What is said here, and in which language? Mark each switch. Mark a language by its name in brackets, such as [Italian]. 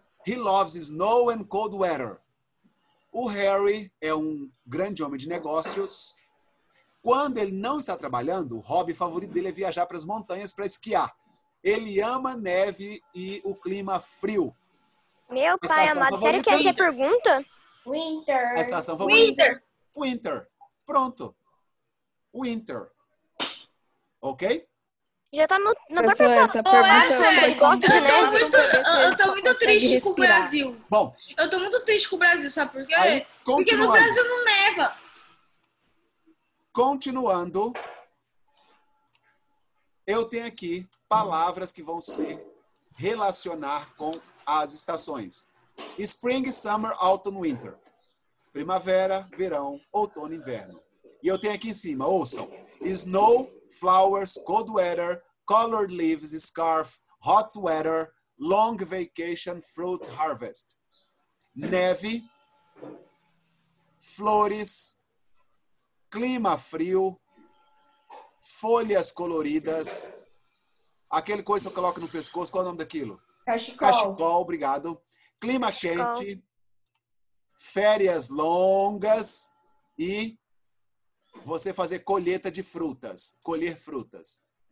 [English] He loves snow and cold weather. [Portuguese] O Harry é um grande homem de negócios. Quando ele não está trabalhando, o hobby favorito dele é viajar para as montanhas para esquiar. Ele ama neve e o clima frio. Meu pai amado, sério que essa é a pergunta? [English] Winter. [Portuguese] A estação favorita? Winter. Winter. Pronto. Winter. Ok? Já tá no próprio essa pergunta. Essa é, gosta de neve, eu tô muito triste com o Brasil. Bom. Eu tô muito triste com o Brasil, sabe por quê? Aí, porque no Brasil não neva. Continuando, eu tenho aqui palavras que vão se relacionar com as estações. [English] Spring, summer, autumn, winter. [Portuguese] Primavera, verão, outono, inverno. E eu tenho aqui em cima, ouçam. [English] Snow, flowers, cold weather, colored leaves, scarf, hot weather, long vacation, fruit harvest. [Portuguese] Neve, flores, clima frio, folhas coloridas, aquele coisa que eu coloco no pescoço, qual é o nome daquilo? Cachecol, obrigado. Clima quente, férias longas e você fazer colheita de frutas, colher frutas.